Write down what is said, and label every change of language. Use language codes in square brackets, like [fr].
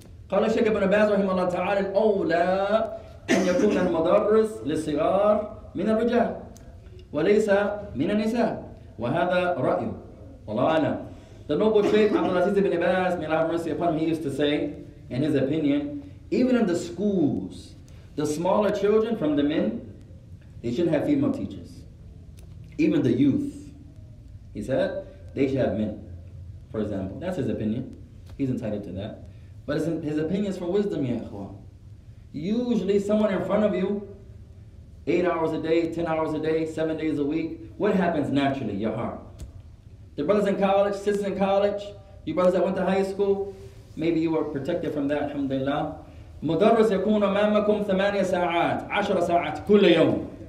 [ar] قال الشيخ ابن باز رحمه الله تعالى الأولى أن يكون المدرس للصغار من الرجال وليس من النساء وهذا رأي والله أنا. [en] The noble Sheikh Abdulaziz ibn Baz, may Allah have mercy upon him, he used to say, in his opinion, even in the schools, the smaller children from the men, they shouldn't have female teachers. Even the youth, he said, they should have men, for example. That's his opinion. He's entitled to that. But his opinion is for wisdom, ya ikhwan. Usually someone in front of you, 8 hours a day, 10 hours a day, 7 days a week, what happens naturally, your heart? The brothers in college, sisters in college, you brothers that went to high school, maybe you were protected from that, alhamdulillah. [ar] مدرس يكون أمامكم ثمانية ساعات عشر ساعات كل يوم.